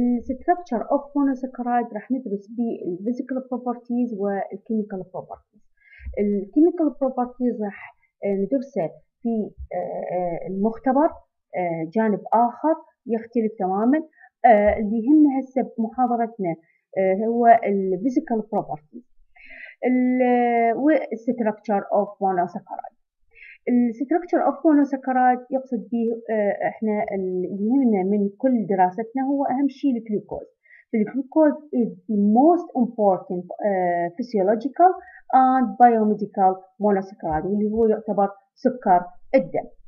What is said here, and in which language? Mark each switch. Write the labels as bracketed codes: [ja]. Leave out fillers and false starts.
[en] Structure of monosaccharide [ar] راح ندرس بي [en] physical properties والchemical properties. [ar] الchemical properties راح ندرسه في المختبر جانب آخر يختلف تماما. اللي يهمنا هسه بمحاضرتنا هو الـ physical properties و structure of monosaccharide. الـ structure of monosaccharide يقصد به احنا اللي يهمنا من كل دراستنا هو أهم شيء الجلوكوز. [en] الجلوكوز is the most important physiological and biomedical monosaccharide، [ar] واللي هو يعتبر سكر الدم.